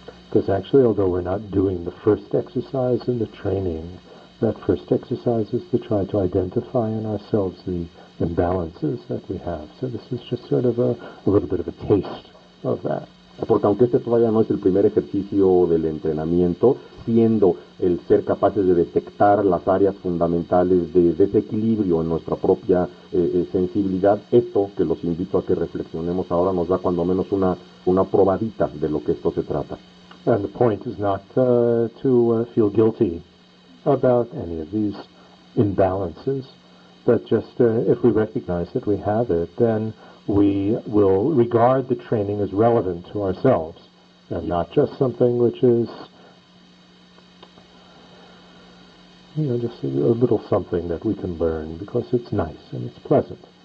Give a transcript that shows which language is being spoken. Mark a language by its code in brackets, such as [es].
[en] Because actually, although we're not doing the first exercise in the training, that first exercise is to try to identify in ourselves the imbalances that we have. So this is just sort of a little bit of a taste of that. [es] Porque aunque este todavía no es el primer ejercicio del entrenamiento, siendo el ser capaces de detectar las áreas fundamentales de desequilibrio en nuestra propia sensibilidad, esto que los invito a que reflexionemos ahora nos da cuando menos una probadita de lo que esto se trata. [en] And the point is not to feel guilty about any of these imbalances, but just if we recognize that we have it, then we will regard the training as relevant to ourselves, and not just something which is, just a little something that we can learn because it's nice and it's pleasant.